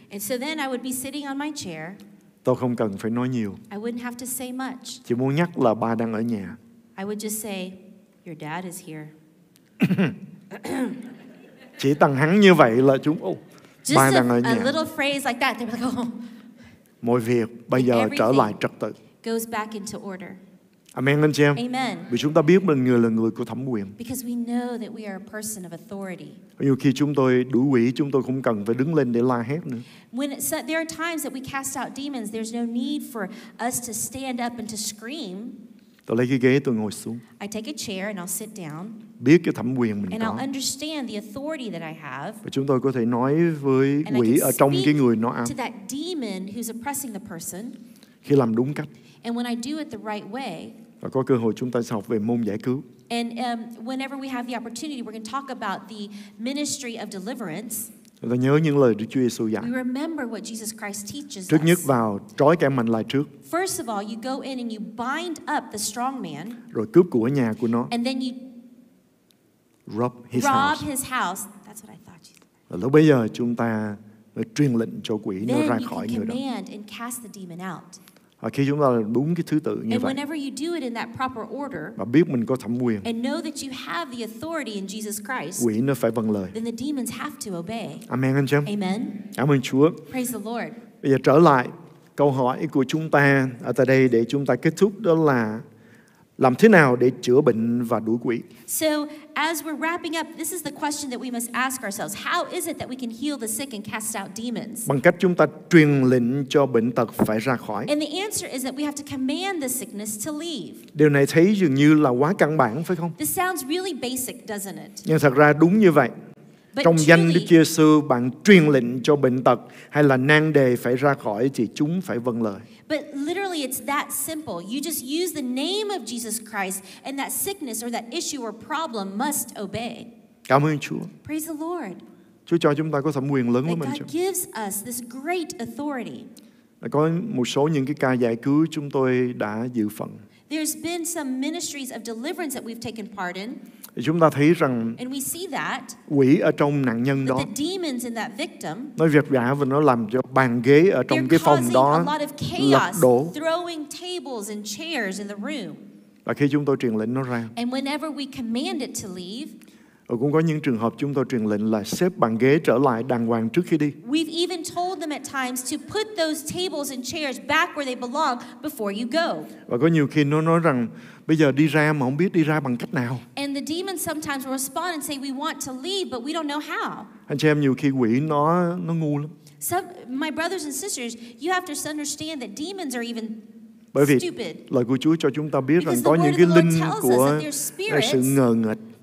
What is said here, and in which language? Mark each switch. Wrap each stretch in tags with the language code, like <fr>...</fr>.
<en>And so then I would be sitting on my chair.</en> <vi>Tôi không cần phải nói nhiều.</vi> <en>I wouldn't have to say much.</en> <vi>Chỉ muốn nhắc là ba đang ở nhà.</vi> <en>I would just say, your dad is here.</en> <vi>Chỉ tầng hắn như vậy là chúng ba đang ở nhà.</vi> <en>Just a little phrase like that, they're like, oh.</en> <vi>Mọi việc bây giờ trở lại trật tự.</vi> <en>Goes back into order.</en> <vi>Amen, anh chị em.</vi> <en>Amen.</en> <vi>Vì chúng ta biết mình người là người của thẩm quyền.</vi> <en>Because we know that we are a person of authority.</en> <vi>Nhiều khi chúng tôi đuổi quỷ, chúng tôi không cần phải đứng lên để la hét nữa.</vi> <en>When there are times that we cast out demons, there's no need for us to stand up and to scream.</en> <vi>Tôi lấy cái ghế tôi ngồi xuống.</vi> <en>I take a chair and I'll sit down.</en> <vi>Biết cái thẩm quyền mình</vi> <en>and</en> <vi>có.</vi> <en>I'll understand the authority that I have.</en> <vi>Và chúng tôi có thể nói với quỷ ở trong cái người nó ăn.</vi> <en>To that demon who's oppressing the person.</en> <vi>Khi làm đúng cách.</vi> <en>And when I do it the right way.</en> <vi>Và có cơ hội chúng ta sẽ học về môn giải cứu.</vi> <en>And whenever we have the opportunity, we're going to talk about the ministry of deliverance.</en> <vi>Chúng ta nhớ những lời Đức Chúa Giêsu dạy.</vi> <en>We remember what Jesus Christ teaches.</en> <vi>Trước nhất vào trói kẻ mạnh lại trước.</vi> <en>First of all, you go in and you bind up the strong man.</en> <vi>Rồi cướp của nhà của nó.</vi> <en>And then you rob his house. His house. That's what I thought you said.</en> <vi>Và lúc bây giờ chúng ta truyền lệnh cho quỷ</vi> <en>then</en> <vi>nó ra khỏi người đó.</vi> <en>Then you command and cast the demon out.</en> <vi>Và khi chúng ta đúng cái thứ tự như</vi> <en>and</en> <vi>vậy.</vi> <en>And whenever you do it in that proper order.</en> <vi>Và biết mình có thẩm quyền.</vi> <en>And know that you have the authority in Jesus Christ.</en> <vi>Quỷ nó phải vâng lời.</vi> <en>Then the demons have to obey.</en> <vi>Amen, anh chị em.</vi> <en>Amen.</en> <vi>Cảm ơn Chúa.</vi> <en>Praise the Lord.</en> <vi>Bây giờ trở lại câu hỏi của chúng ta ở tại đây để chúng ta kết thúc đó là làm thế nào để chữa bệnh và đuổi quỷ?</vi> <en>So, as we're wrapping up, this is the question that we must ask ourselves. How is it that we can heal the sick and cast out demons?</en> <vi>Bằng cách chúng ta truyền lệnh cho bệnh tật phải ra khỏi.</vi> <en>And the answer is that we have to command the sickness to leave.</en> <vi>Điều này thấy dường như là quá căn bản, phải không?</vi> <en>This sounds really basic, doesn't it?</en> <vi>Nhưng thật ra đúng như vậy. Trong danh Đức Giê-xu, bạn truyền lệnh cho bệnh tật hay là nan đề phải ra khỏi thì chúng phải vâng lời.</vi> <en>But literally it's that simple. You just use the name of Jesus Christ and that sickness or that issue or problem must obey.</en> <vi>Cảm ơn Chúa.</vi> <en>Praise the Lord.</en> <vi>Chúa cho chúng ta có thẩm quyền lớn lắm anh chị.</vi> <en>God gives us this great authority.</en> <vi>Có một số những cái ca giải cứu chúng tôi đã dự phần.</vi> <en>There's been some ministries of deliverance that we've taken part in.</en> <vi>Chúng ta thấy rằng</vi> <en>and we see that</en> <vi>quỷ ở trong nạn nhân đó,</vi> <en>the demons in that victim,</en> <vi>nó vật vã và nó làm cho bàn ghế ở trong cái phòng đó lật đổ.</vi> <en>Throwing tables and chairs in the room.</en> <vi>Và khi chúng tôi truyền lệnh nó ra,</vi> <en>and whenever we command it to leave,</en> <vi>và cũng có những trường hợp chúng tôi truyền lệnh là xếp bàn ghế trở lại đàng hoàng trước khi đi.</vi> <en>We've even told them at times to put those tables and chairs back where they belong before you go.</en> <vi>Và có nhiều khi nó nói rằng bây giờ đi ra mà không biết đi ra bằng cách nào.</vi> <en>And the demons sometimes respond and say we want to leave but we don't know how.</en> <vi>Anh chị em, nhiều khi quỷ nó ngu lắm.</vi> <en>So my brothers and sisters, you have to understand that demons are even</en> <vi>bởi vì</vi> <en>stupid.</en> <vi>Lời của Chúa cho chúng ta biết rằng có những cái linh của sự ngờ nghịch.</vi>